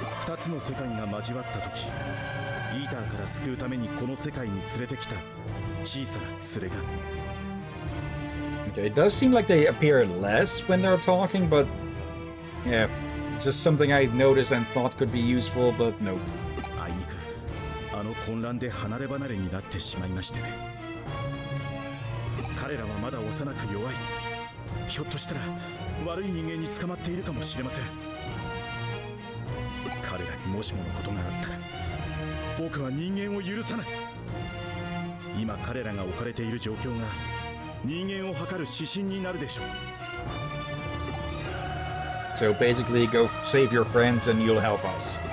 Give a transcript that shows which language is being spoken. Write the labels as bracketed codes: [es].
[ja] 2つの世界が交わったとき、イーターから救うためにこの世界に連れてきた小さな連れが。 [en] Okay, it does seem like they appear less when they're talking, but yeah, just something I noticed and thought could be useful, but nope. [ja] あいにく、あの混乱で離れ離れになってしまいまして。彼らはまだ幼く弱い。ひょっとしたら悪い人間に捕まっているかもしれません。もしものことがあったら、僕は人間を許さない。今彼らが置かれている状況が人間を図る指針になるでしょう。 [en] So basically, go save your friends and you'll help us.